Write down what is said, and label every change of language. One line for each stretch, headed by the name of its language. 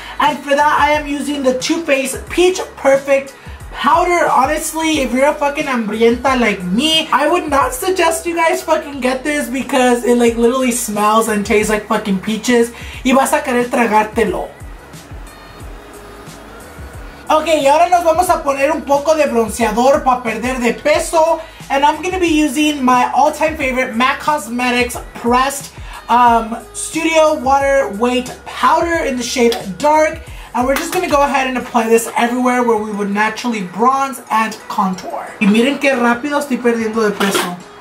English: And for that, I am using the Too Faced Peach Perfect Powder. Honestly, if you're a fucking hambrienta like me, I would not suggest you guys fucking get this because it like literally smells and tastes like fucking peaches.
Spanish: Y vas a querer tragártelo. Ok, y ahora nos vamos a poner un poco de bronceador para perder de peso.
English: And I'm going to be using my all-time favorite MAC Cosmetics Pressed Studio Water Weight Powder in the shade Dark. And we're just going to go ahead and apply this everywhere where we would naturally bronze and contour.
Spanish: Y miren qué rápido estoy perdiendo de peso.